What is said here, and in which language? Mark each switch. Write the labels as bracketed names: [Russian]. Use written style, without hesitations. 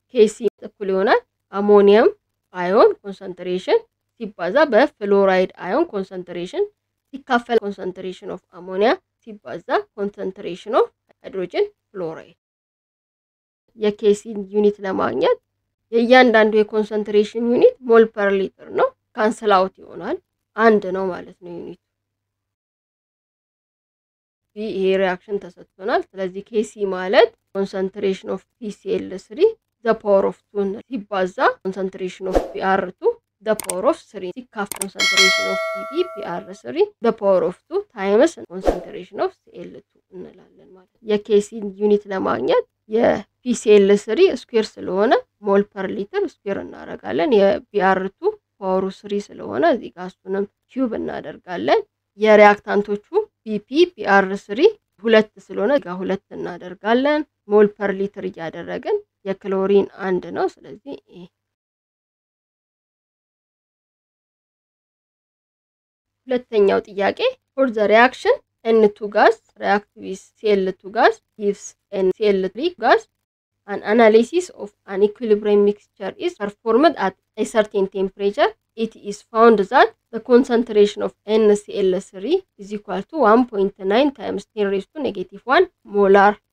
[Amharic] KC equal ይሆናል ammonium ion concentration ሲባዛ በfluoride ion concentration ሲካፈል concentration of ammonia ሲባዛ concentration of hydrogen fluoride. የኬሲን ዩኒት ለማግኘት የእያንዳንዱ የኮንሰንትሬሽን ዩኒት ሞል ፐር ሊትር ነው, ካንስል አውት ይሆናል, አንድ ነው ማለት ነው ዩኒት. ቢ ይሄ ሪአክሽን ተሰጥቶናል. ስለዚህ ኬሲ ማለት ኮንሰንትሬሽን ኦፍ PCl3 ዘ ፓወር ኦፍ 2 ሲባዛ ኮንሰንትሬሽን ኦፍ PR2 ዘ ፓወር ኦፍ 3 ሲካፍ ኮንሰንትሬሽን ኦፍ PB PR3 ዘ ፓወር ኦፍ 2 ታይምስ ኮንሰንትሬሽን ኦፍ Cl2 እንላለን ማለት ነው. የኬሲን ዩኒት ለማግኘት የPCl3 ስኩዌር ስለሆነ ሞል ፐር ሊትር ስኩዌር እናደርጋለን, የBr2 ፓወሩ 3 ስለሆነ እዚህ ጋር እሱንም ኪዩብ እናደርጋለን, የሪአክታንቶቹ BP Br3 2 ስለሆነ ጋር 2 እናደርጋለን ሞል ፐር ሊትር እያደረግን, የክሎሪን 1 ነው ስለዚህ ኤ. ሁለተኛው ጥያቄ [English] ፎር ዘ ሪአክሽን N2 ጋዝ react with Cl2 gas gives NCl3 gas. An analysis of an equilibrium mixture is performed at a certain temperature. It is found that the concentration of NCl3 is equal to 1.9 times 10 raised to negative 1 molar.